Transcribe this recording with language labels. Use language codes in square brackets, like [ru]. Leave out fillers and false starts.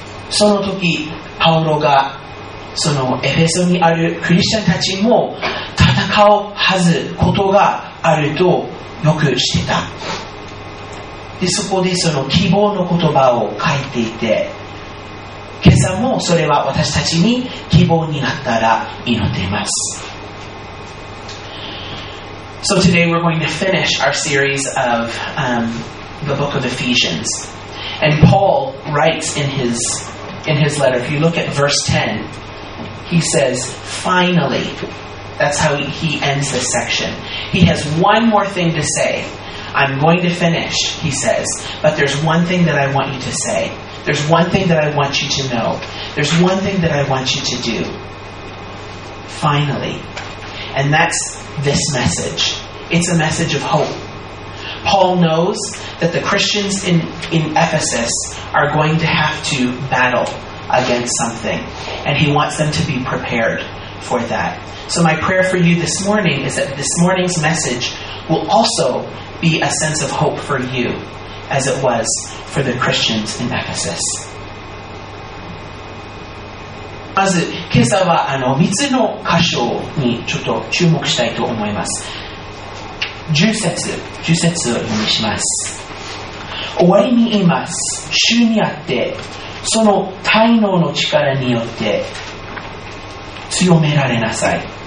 [ja] その時パウロがそのエフェソにあるクリスチャンたちも戦うはずことがあるとよく知ってた。でそこでその希望の言葉を書いていて、今朝もそれは私たちに希望になったら祈っています。 [en] So today we're going to finish our series of、the book of Ephesians. And Paul writes in his letter, if you look at verse 10, he says, finally, that's how he ends this section. He has one more thing to say. I'm going to finish, he says, but there's one thing that I want you to say. There's one thing that I want you to know. There's one thing that I want you to do. Finally. And that's this message. It's a message of hope. Paul knows that the Christians in Ephesus are going to have to battle against something, and he wants them to be prepared for that. So my prayer for you this morning is that this morning's message will also be a sense of hope for you, as it was for the Christians in Ephesus. [ja] まず、今朝は3つの箇所にちょっと注目したいと思います。 10節を読みします。終わりに言います。主にあって、その大能の力によって強められなさい。